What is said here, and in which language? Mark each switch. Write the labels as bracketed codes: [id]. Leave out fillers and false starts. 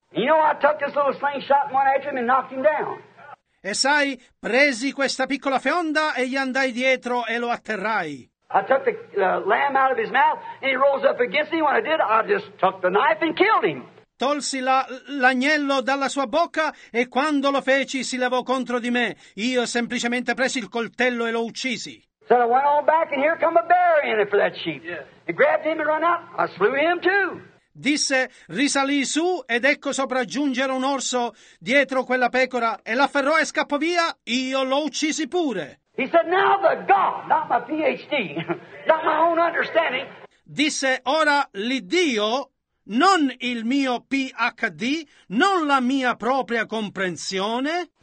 [en] You know, I took this little slingshot and went after him and knocked him down. [it] E sai, presi questa piccola fionda e gli andai dietro e lo atterrai. [en] I took the lamb out of his mouth and he rose up against me. When I did, I just took the knife and killed him. [it] Tolsi l'agnello dalla sua bocca e quando lo feci si levò contro di me. Io semplicemente presi il coltello e lo uccisi. [en] So I went on back and here come a bear in it for that sheep. Yeah. He grabbed him and ran out. I slew him too. [it] Disse, risalì su ed ecco sopraggiungere un orso dietro quella pecora e l'afferrò e scappò via. Io lo uccisi pure. [en] He said, now the God, not my PhD, not my own understanding. [it] Disse, ora l'Iddio, non il mio PhD, non la mia propria comprensione.